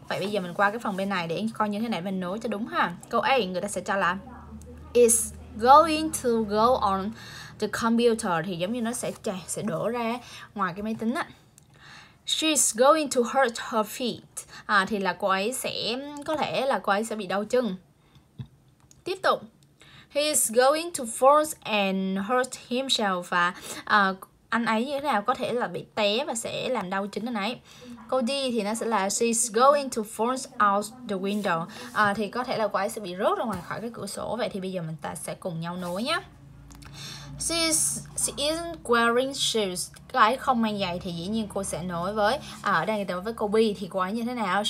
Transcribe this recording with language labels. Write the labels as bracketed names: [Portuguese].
[Vietnamese] Vậy bây giờ mình qua cái phần bên này để coi như thế này mình nối cho đúng ha. Câu A người ta sẽ cho là [English] is going to go on the computer. [Vietnamese] Thì giống như nó sẽ đổ ra ngoài cái máy tính á. [English] She's going to hurt her feet. [Vietnamese] À, thì là cô ấy sẽ, có thể là cô ấy sẽ bị đau chân. Tiếp tục, [English] he's going to fall and hurt himself. [Vietnamese] Và anh ấy như thế nào, có thể là bị té và sẽ làm đau chính anh ấy. Câu D thì nó sẽ là [English] she's going to fall out the window. [Vietnamese] À, thì có thể là cô ấy sẽ bị rớt ra ngoài khỏi cái cửa sổ. Vậy thì bây giờ mình ta sẽ cùng nhau nối nhé. [English] She isn't wearing shoes. [Vietnamese] Cô ấy không mang giày thì dĩ nhiên cô sẽ nối với ở đây người ta nói với câu B thì cô ấy như thế nào.